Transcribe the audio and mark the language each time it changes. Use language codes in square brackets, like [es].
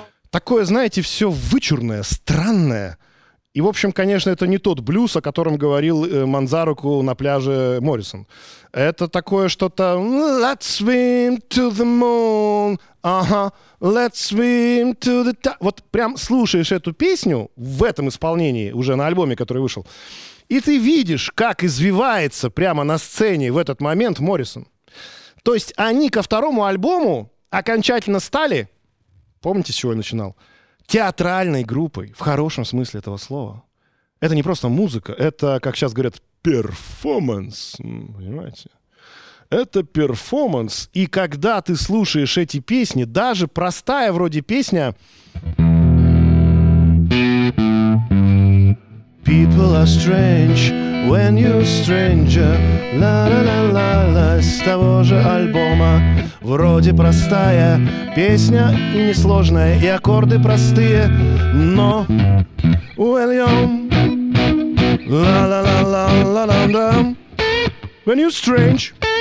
[ru] Такое, знаете, все вычурное, странное. И, в общем, конечно, это не тот блюз, о котором говорил Манзареку на пляже Моррисон. Это такое что-то... [en] Let's swim to the moon, ага, let's swim to the... [ru] Вот прям слушаешь эту песню в этом исполнении, уже на альбоме, который вышел, и ты видишь, как извивается прямо на сцене в этот момент Моррисон. То есть они ко второму альбому окончательно стали... Помните, с чего я начинал? Театральной группой, в хорошем смысле этого слова. Это не просто музыка, это, как сейчас говорят, перформанс. Понимаете? Это перформанс. И когда ты слушаешь эти песни, даже простая вроде песня... [en] People are strange when you're stranger. [ru] La-la-la-la-la. С того же альбома. Вроде простая песня и несложная, и аккорды простые, но [en] when you're [ru] la-la-la-la-la-la. [en] When you're strange.